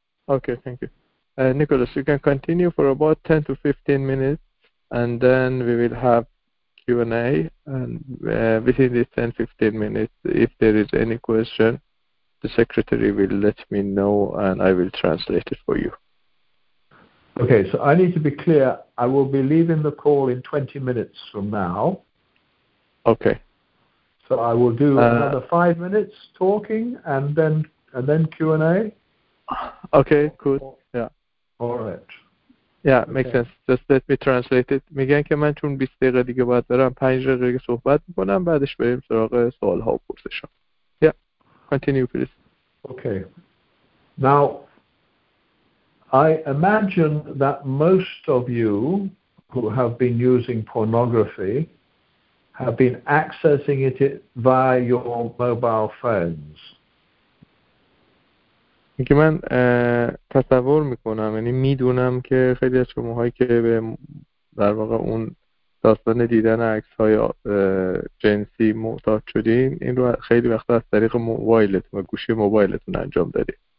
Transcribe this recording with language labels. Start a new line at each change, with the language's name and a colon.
English: Okay, thank you. Nicholas, you can continue for about 10 to 15 minutes. And then we will have Q&A, and within these 10-15 minutes, if there is any question, the secretary will let me know, and I will translate it for you. Okay, so I need to be clear. I will be leaving the call in 20 minutes from now. Okay. So I will do another 5 minutes talking, and then Q&A. Okay, good. Yeah. All right. Yeah, makes okay. sense. Just let me translate it.
Persian: میگن که من چون 20 دقیقه دیگه باید برم 5 دقیقه صحبت میکنم بعدش بریم سراغ سوال ها و پرسش ها.
English: Yeah, continue please. Okay. Now, I imagine that most of you who have been using pornography have been accessing it via your mobile phones.
Persian: میگه من تصور میکنم یعنی میدونم که خیلی از شماهایی که به در واقع اون داستان دیدن عکس های جنسی معتاد شدین این رو خیلی وقتا از طریق موبایلتون و گوشی موبایلتون انجام دادین.